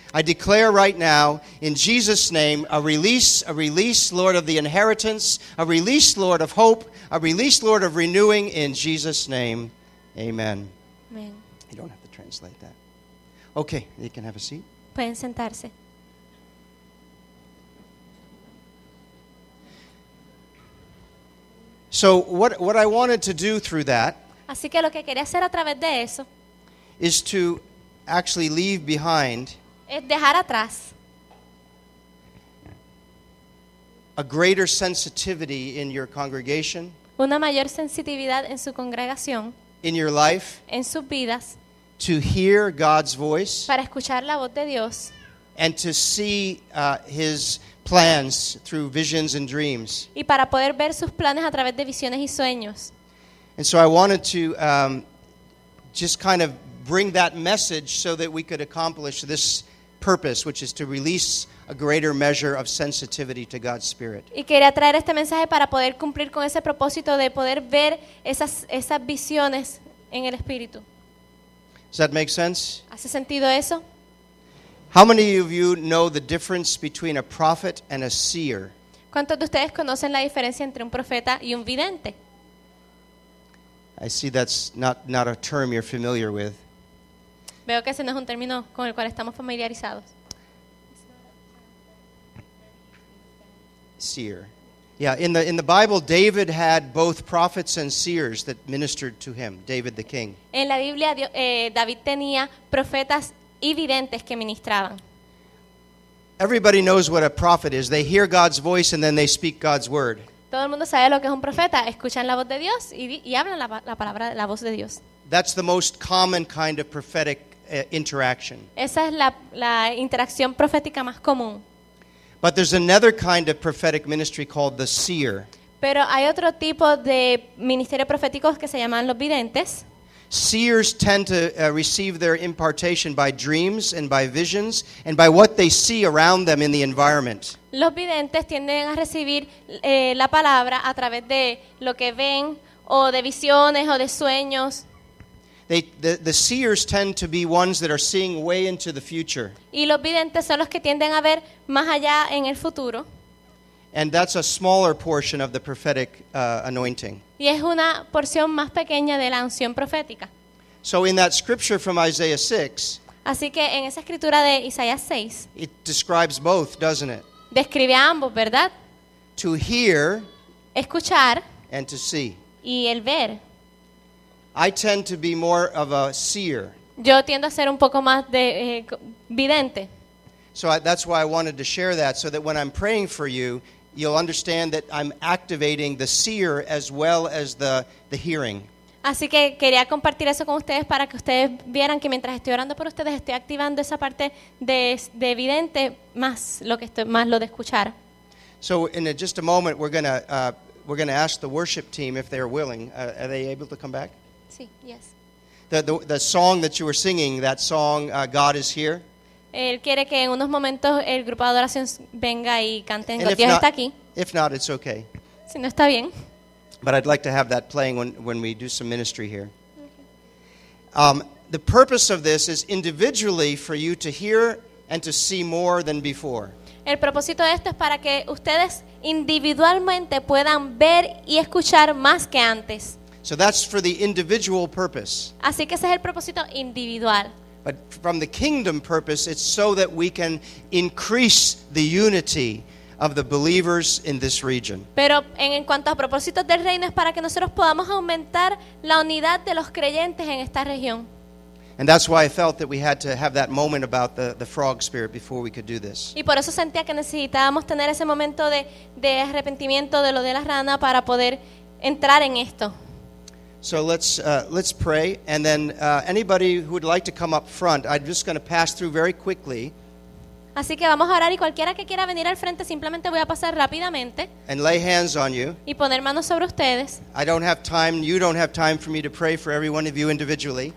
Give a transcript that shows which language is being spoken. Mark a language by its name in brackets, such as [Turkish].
[English] I declare right now, in Jesus' name, a release, Lord, of the inheritance, a release, Lord, of hope, a release, Lord, of renewing in Jesus' name. Amen. Amen. You don't have to translate that. Okay, you can have a seat. [Spanish] Pueden sentarse. [English] So what I wanted to do through that, [Spanish] así que lo que quería hacer a través de eso [English] is to actually leave behind [Spanish] es dejar atrás [English] a greater sensitivity in your congregation, [Spanish] una mayor sensitividad en su congregación, [English] in your life, [Spanish] en sus vidas, [English] to hear God's voice, [Spanish] para escuchar la voz de Dios, [English] and to see his plans through visions and dreams. [Spanish] Y para poder ver sus planes a través de visiones y sueños. [English] And so I wanted to just kind of bring that message so that we could accomplish this purpose, which is to release a greater measure of sensitivity to God's Spirit. [Spanish] Y quería traer este mensaje para poder cumplir con ese propósito de poder ver esas visiones en el Espíritu. [English] Does that make sense? [Spanish] ¿Hace sentido eso? [English] How many of you know the difference between a prophet and a seer? [Spanish] ¿Cuántos de ustedes conocen la diferencia entre un profeta y un vidente? [English] I see that's not a term you're familiar with. [Spanish] Veo que ese no es un término con el cual estamos familiarizados. [English] Seer. Yeah, in the Bible, David had both prophets and seers that ministered to him, David the king. [Spanish] En la Biblia, David tenía profetas y videntes que ministraban. [English] Everybody knows what a prophet is. They hear God's voice and then they speak God's word. [Spanish] Todo el mundo sabe lo que es un profeta. Escuchan la voz de Dios y hablan la palabra, la voz de Dios. [English] That's the most common kind of prophetic interaction. [Spanish] Esa es la interacción profética más común. [English] But there's another kind of prophetic ministry called the seer. [Spanish] Pero hay otro tipo de ministerio profético que se llaman los videntes. [English] Seers tend to receive their impartation by dreams and by visions and by what they see around them in the environment. [Spanish] Los videntes tienden a recibir la palabra a través de lo que ven o de visiones o de sueños. [English] The seers tend to be ones that are seeing way into the future. [Spanish] Y los videntes son los que tienden a ver más allá en el futuro. [English] And that's a smaller portion of the prophetic anointing. [Spanish] Y es una porción más pequeña de la unción profética. [English] So in that scripture from Isaiah 6, [Spanish] así que en esa escritura de Isaías 6, [English] it describes both, doesn't it? [Spanish] Describe a ambos, ¿verdad? [English] To hear, [Spanish] escuchar, [English] and to see. [Spanish] Y el ver. [English] I tend to be more of a seer. [Spanish] Yo tiendo a ser un poco más de vidente. [English] So that's why I wanted to share that, so that when I'm praying for you, you'll understand that I'm activating the seer as well as the hearing. [Spanish] Así que quería compartir eso con ustedes para que ustedes vieran que mientras estoy orando por ustedes, estoy activando esa parte de vidente más lo de escuchar. [English] So in just a moment, we're gonna ask the worship team if they're willing. Are they able to come back? [Spanish] Sí, [English] yes. The song that you were singing, that song, God is Here. [Spanish] Él quiere que en unos momentos el grupo de adoración venga y canten. Dios está aquí. [English] If not, it's okay. [Spanish] Si no, está bien. [English] But I'd like to have that playing when we do some ministry here. Okay. The purpose of this is individually for you to hear and to see more than before. [Spanish] El propósito de esto es para que ustedes individualmente puedan ver y escuchar más que antes. [English] So that's for the individual purpose. [Spanish] Así que ese es el propósito individual. [English] But from the kingdom purpose, it's so that we can increase the unity of the believers in this region. [Spanish] Pero en cuanto a propósitos del reino, es para que nosotros podamos aumentar la unidad de los creyentes en esta región. [English] And that's why I felt that we had to have that moment about the frog spirit before we could do this. [Spanish] Y por eso sentía que necesitábamos tener ese momento de arrepentimiento de lo de la rana para poder entrar en esto. [English] So let's pray, and then anybody who would like to come up front, I'm just going to pass through very quickly. [Spanish] Así que vamos a orar y cualquiera que quiera venir al frente simplemente voy a pasar rápidamente. [English] And lay hands on you. [Spanish] Y poner manos sobre ustedes. [English] I don't have time. You don't have time for me to pray for every one of you individually.